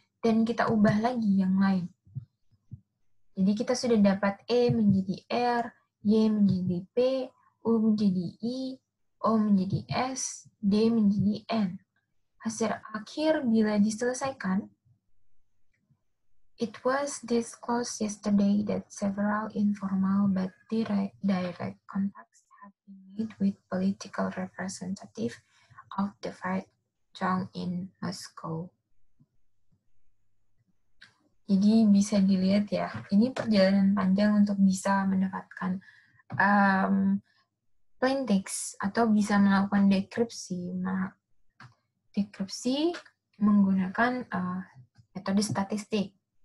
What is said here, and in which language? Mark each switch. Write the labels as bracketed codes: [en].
[id] Dan kita ubah lagi yang lain. Jadi kita sudah dapat E menjadi R, Y menjadi P, U menjadi I, O menjadi S, D menjadi N. Hasil akhir bila diselesaikan, [en] It was disclosed yesterday that several informal but direct contacts have been made with political representatives of the Fed Chong in Moscow. [id] Jadi bisa dilihat ya, ini perjalanan panjang untuk bisa mendapatkan plain text atau bisa melakukan dekripsi. Dekripsi menggunakan metode statistik.